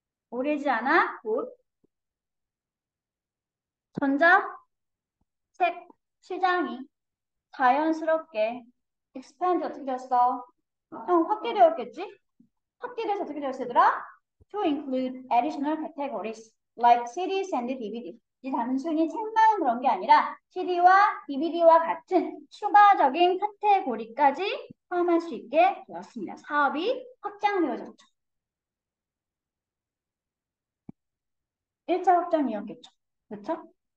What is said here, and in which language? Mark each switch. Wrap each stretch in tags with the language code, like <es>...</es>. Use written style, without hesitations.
<ko>오래지 않아, 곧. 전자책 시장이 자연스럽게 expand 어떻게 되었어? 확대되었겠지? 확대돼서 어떻게 되었으더라?</ko> <en>To include additional categories like CDs and DVDs.</en> <ko>이 단순히 책만 그런 게 아니라 CD와 DVD와 같은 추가적인 카테고리까지 포함할 수 있게 되었습니다. 사업이 확장되어졌죠. 1차 확장이었겠죠. 그렇죠?</ko>